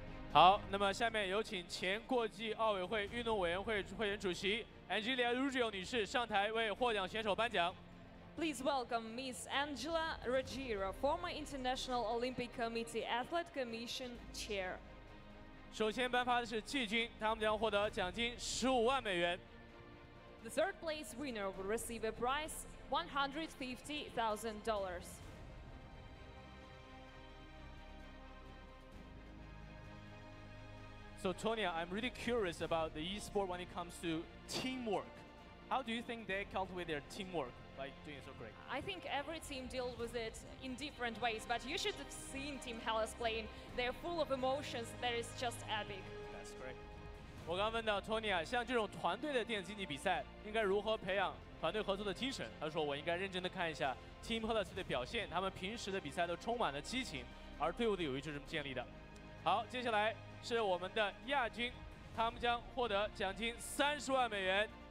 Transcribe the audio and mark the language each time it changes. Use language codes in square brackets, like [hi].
[zh] 好，那么下面有请前国际奥委会运动委员会会员主席 Angelia Ruggio 女士上台为获奖选手颁奖。 [en] Please welcome Ms. Angela Ruggiero, former International Olympic Committee Athlete Commission Chair. [zh] 首先颁发的是季军，他们将获得奖金$150,000。 [en] The third place winner will receive a prize $150,000. So Tony, I'm really curious about the e-sport when it comes to teamwork. How do you think they cultivate their teamwork? Doing so great. I think every team deals with it in different ways, but you should have seen Team Hellas playing. They're full of emotions. That is just epic. That's great. [zh] 我刚问到 Tony 啊，像这种团队的电竞比赛，应该如何培养团队合作的精神？他说我应该认真的看一下 Team Hellas 的表现，他们平时的比赛都充满了激情，而队伍的友谊就这么建立的。好，接下来是我们的亚军，他们将获得奖金$300,000。